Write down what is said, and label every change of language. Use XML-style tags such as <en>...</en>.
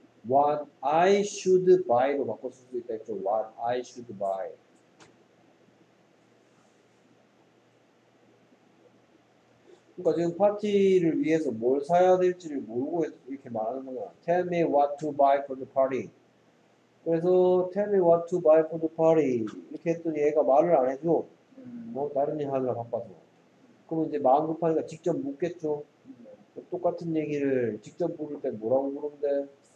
<en>What I should buy로</en> <ko>바꿔 쓸 수 있다 했죠.</ko> <en>What I should buy.</en> <ko>그러니까 지금 파티를 위해서 뭘 사야 될지를 모르고 이렇게 말하는 거야.</ko> <en>Tell me what to buy for the party.</en> <ko>그래서</ko> <en>Tell me what to buy for the party.</en> <ko>이렇게 했더니 얘가 말을 안 해줘. 뭐 다른 일 하느라 바빠서. 그러면 이제 마음 급하니까 직접 묻겠죠. 똑같은 얘기를 직접 물을 때 뭐라고 물었는데?</ko>